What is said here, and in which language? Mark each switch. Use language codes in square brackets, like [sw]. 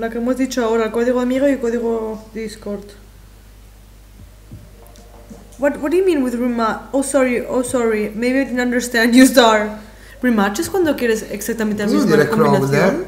[es] La que hemos dicho ahora, el código amigo y el código Discord. [en] What do you mean with rematch? Oh sorry, maybe I didn't understand you, Star. Rematch is [es] quando quieres exactamente la misma combinación.